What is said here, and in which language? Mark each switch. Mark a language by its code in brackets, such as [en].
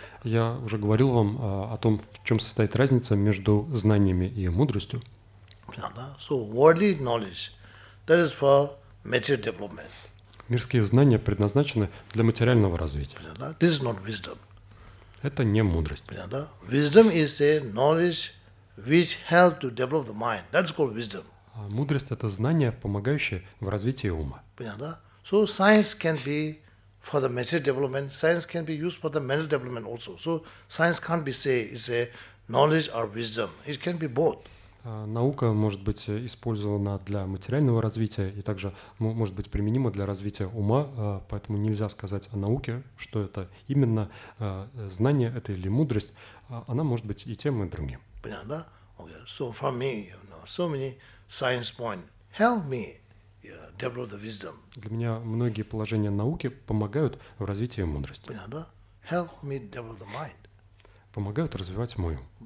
[ru] Я уже говорил вам о том, в чем состоит разница между знаниями и мудростью. [en] So worldly knowledge that is for material development. [ru] Мирские знания предназначены для материального развития. [en] This is not wisdom. [ru] Это не мудрость. [en] Wisdom is a knowledge which help to develop the mind. That's called wisdom. [ru] Мудрость – это знание, помогающее в развитии ума. Понятно? [en] So science can be for the material development. Science can be used for the mental development also. So science can't be say is a knowledge or wisdom. It can be both. [ru] Наука может быть использована для материального развития и также может быть применима для развития ума, поэтому нельзя сказать о науке, что это именно знание это или мудрость. Она может быть и тем, и другим. Понятно, да? Okay. [en] So for me, you know, so many science points help me develop the wisdom. [ru] Для меня многие положения науки помогают в развитии мудрости. Понятно, да? [en] help me develop the mind. [ru] Помогают развивать мой ум.